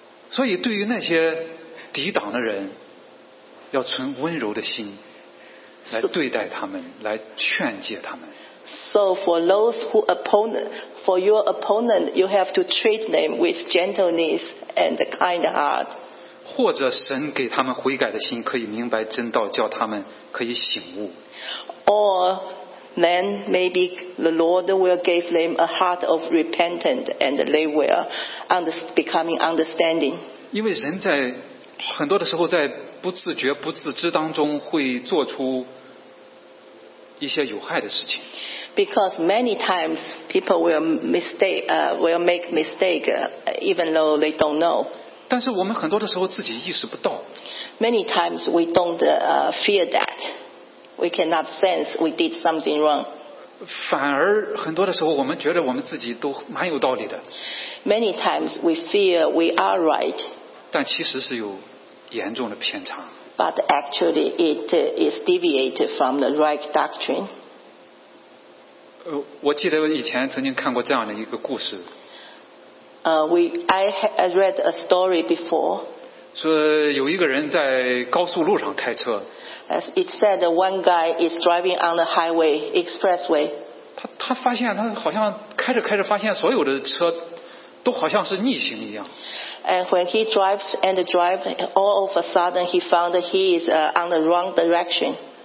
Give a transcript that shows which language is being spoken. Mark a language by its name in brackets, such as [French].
[Chinese] 所以对于那些抵挡的人，要存温柔的心。来对待他们，来劝诫他们。 [English] So for those who opponent, for your opponent, you have to treat them with gentleness and a kind heart. [Chinese] 或者神给他们悔改的心，可以明白真道，叫他们可以醒悟。 [English] Or then maybe the Lord will give them a heart of repentance and they will becoming understanding. [Chinese] 因为人在很多的时候在不自觉不自知当中会做出一些有害的事情。 [English] Because many times people will make mistake even though they don't know. [Chinese] 但是我们很多的时候自己意识不到。 [English] Many times we don't fear that. We cannot sense we did something wrong. [Chinese] 反而很多的时候我们觉得我们自己都蛮有道理的。 [English] Many times we fear we are right. [Chinese] 但其实是有严重的偏差。 [English] But actually, it is deviated from the right doctrine. [Chinese] 我记得以前曾经看过这样的一个故事。 [English] I read a story before. [Chinese] 说有一个人在高速路上开车。 [English] As it said, one guy is driving on the highway expressway. [Chinese] 他发现他好像开着开着发现所有的车都好像是逆行一样。 [English] And when he drives and drives, all of a sudden he found that he is on the wrong direction.